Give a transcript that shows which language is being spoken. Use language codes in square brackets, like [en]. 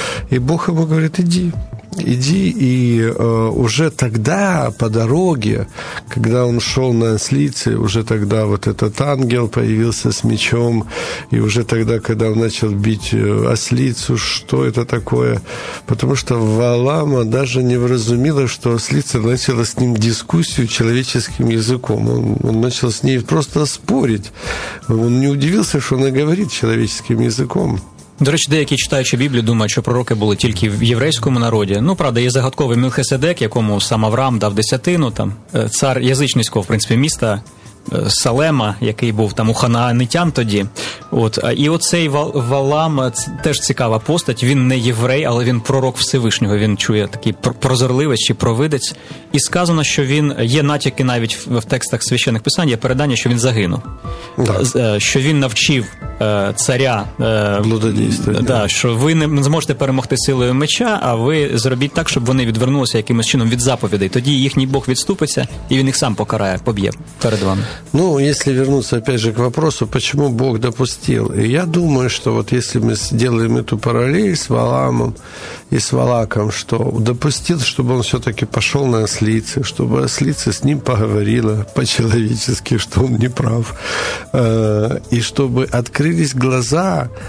[ru] И Бог ему говорит, иди. Иди, и уже тогда, по дороге, когда он шел на ослице, уже тогда вот этот ангел появился с мечом, и уже тогда, когда он начал бить ослицу, что это такое? Потому что Валама даже не вразумела, что ослица начала с ним дискуссию человеческим языком. Он начал с ней просто спорить. Он не удивился, что она говорит человеческим языком. [uk] До речі, деякі, читаючи Біблію, думають, що пророки були тільки в єврейському народі. Ну, правда, є загадковий Мелхиседек, якому сам Авраам дав десятину, там, цар язичницького, в принципі, міста Салема, який був там у ханаанитян тоді. От. І оцей Валам, це теж цікава постать, він не єврей, але він пророк Всевишнього, він чує такий прозорливець чи провидець. І сказано, що він, є натяки навіть в текстах священних писань, є передання, що він загинув. Так. Що він навчив царя блудодійствувати. Да, що ви не зможете перемогти силою меча, а ви зробіть так, щоб вони відвернулися якимось чином від заповідей. Тоді їхній Бог відступиться і він їх сам покарає, поб'є перед вами. [ru] Ну, если вернуться опять же к вопросу, почему Бог допустил? И я думаю, что вот если мы сделаем эту параллель с Валаамом и с Валаком, что допустил, чтобы он все-таки пошел на ослице, чтобы ослица с ним поговорила по-человечески, что он не прав, и чтобы открылись глаза